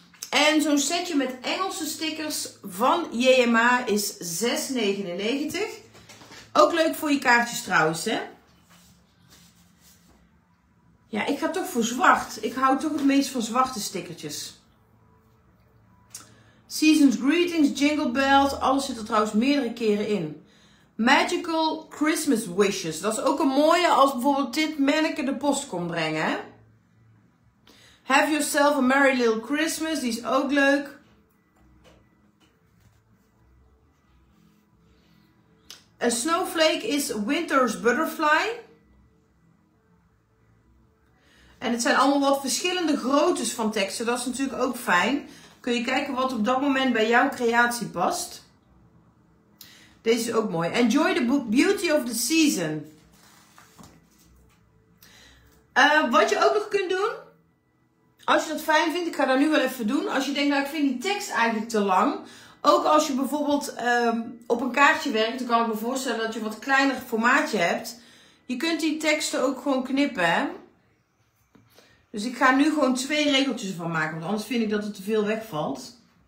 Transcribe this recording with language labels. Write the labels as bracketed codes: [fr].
[nl] En zo'n setje met Engelse stickers van JMA is €6,99. Ook leuk voor je kaartjes trouwens, hè? Ja, ik ga toch voor zwart. Ik hou toch het meest van zwarte stickertjes. [en] Season's Greetings, Jingle Bells. [nl] Alles zit er trouwens meerdere keren in. [en] Magical Christmas Wishes. [nl] Dat is ook een mooie als bijvoorbeeld dit manneke de post kon brengen. [en] Hè? Have Yourself a Merry Little Christmas. [nl] Die is ook leuk. [en] A Snowflake is Winter's Butterfly. [nl] En het zijn allemaal wat verschillende groottes van teksten. Dat is natuurlijk ook fijn. Kun je kijken wat op dat moment bij jouw creatie past. Deze is ook mooi. [en] Enjoy the beauty of the season. [nl] Wat je ook nog kunt doen. Als je dat fijn vindt. Ik ga dat nu wel even doen. Als je denkt, nou, ik vind die tekst eigenlijk te lang. Ook als je bijvoorbeeld op een kaartje werkt, dan kan ik me voorstellen dat je wat kleiner formaatje hebt. Je kunt die teksten ook gewoon knippen. Dus ik ga nu gewoon 2 regeltjes ervan maken, want anders vind ik dat het te veel wegvalt.